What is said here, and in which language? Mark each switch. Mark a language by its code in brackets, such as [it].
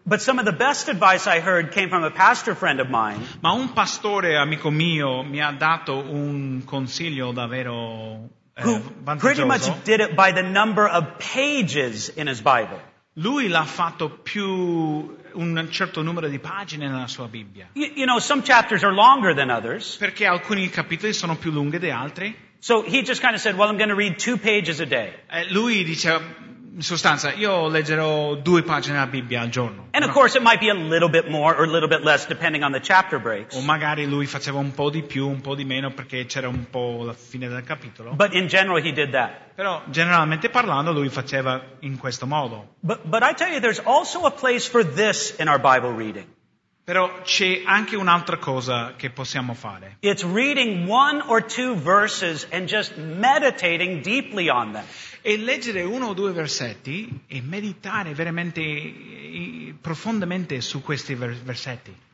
[en] But some of the best advice I heard came from a pastor friend of mine. [it] Ma un pastore amico mio mi ha dato un consiglio davvero vantaggioso. [en] Pretty much did it by the number of pages in his Bible. [it] Lui l'ha fatto più un certo numero di pagine nella sua Bibbia. [en] You know, some chapters are longer than others. [it] Perché alcuni capitoli sono più lunghi di altri. [en] So he just kind of said, "Well, I'm going to read 2 pages a day." [it] Lui dice, in sostanza, io leggerò 2 pagine della Bibbia al giorno. [en] And of course, it might be a little bit more or a little bit less, depending on the chapter breaks. [it] O magari lui faceva un po' di più, un po' di meno, perché c'era un po' la fine del capitolo. [en] But in general, he did that. [it] Però, generalmente parlando, lui faceva in questo modo. [en] But I tell you, there's also a place for this in our Bible reading. [it] Però c'è anche un'altra cosa che possiamo fare. [en] It's reading 1 or 2 verses and just meditating deeply on them. [it] E leggere 1 o 2 versetti e meditare veramente profondamente su questi versetti.